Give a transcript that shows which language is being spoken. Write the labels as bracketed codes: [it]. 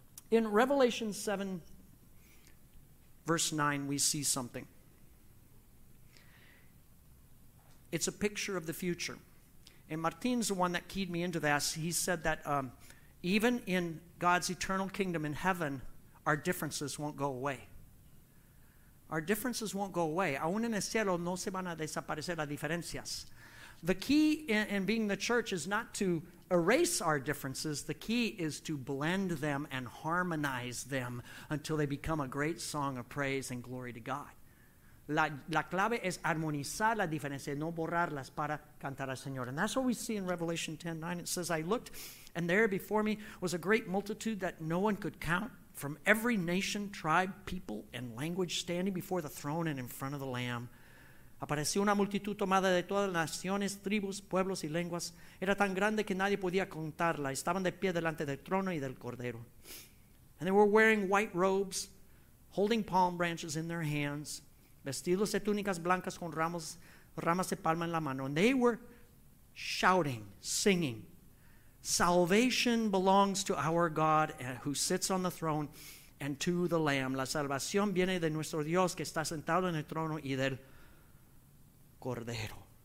[en] In Revelation 7, verse 9, we see something. It's a picture of the future. And Martin's the one that keyed me into that. He said that even in God's eternal kingdom in heaven, our differences won't go away. Our differences won't go away. [es] Aún en el cielo no se van a desaparecer las diferencias. [en] The key in being the church is not to erase our differences. The key is to blend them and harmonize them until they become a great song of praise and glory to God. [es] La clave es armonizar las diferencias, no borrarlas para cantar al Señor. [en] And that's what we see in Revelation 10:9. It says, I looked, and there before me was a great multitude that no one could count, from every nation, tribe, people, and language, standing before the throne and in front of the Lamb. [es] Apareció una multitud tomada de todas las naciones, tribus, pueblos y lenguas. Era tan grande que nadie podía contarla. Estaban de pie delante del trono y del cordero. [en] And they were wearing white robes, holding palm branches in their hands, [es] vestidos de túnicas blancas con ramas de palma en la mano. [en] And they were shouting, singing, salvation belongs to our God who sits on the throne and to the Lamb. [es] La salvación viene de nuestro Dios que está sentado en el trono y del cordero.